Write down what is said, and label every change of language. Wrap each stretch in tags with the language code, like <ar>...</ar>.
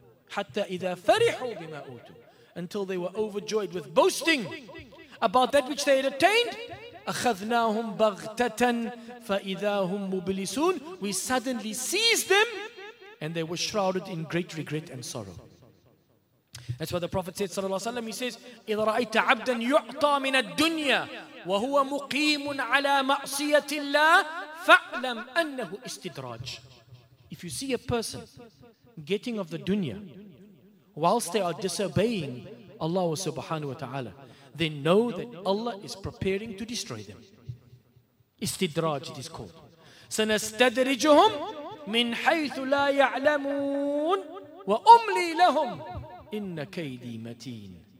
<ar>Hatta idha farihu bima utu.</ar> <en>Until they were overjoyed with boasting about that which they had attained.</en> <ar>أَخَذْنَاهُمْ بَغْتَةً فَإِذَا هُمْ مُبْلِسُونَ.</ar> <en>We suddenly seized them and they were shrouded in great regret and sorrow. That's why the Prophet said, sallallahu alaihi wasallam, he says,</en> <ar>إِذَا رَأَيْتَ عَبْدًا يُعْطَى مِنَ الدُّنْيَا وَهُوَ مُقِيمٌ عَلَى مَأْصِيَةِ اللَّهِ فَأْلَمْ أَنَّهُ إِسْتِدْرَاجٌ.</ar> <en>If you see a person getting of the dunya whilst they are disobeying Allah subhanahu wa ta'ala, they know that Allah is preparing to destroy them.</en> <ar>Istidraj,</ar> <en>it is called.</en> <ar>سَنَسْتَدْرِجُهُمْ مِنْ حَيْثُ لَا يَعْلَمُونَ وَأُمْلِي لَهُمْ إِنَّ كَيْدِي مَتِينَ.</ar>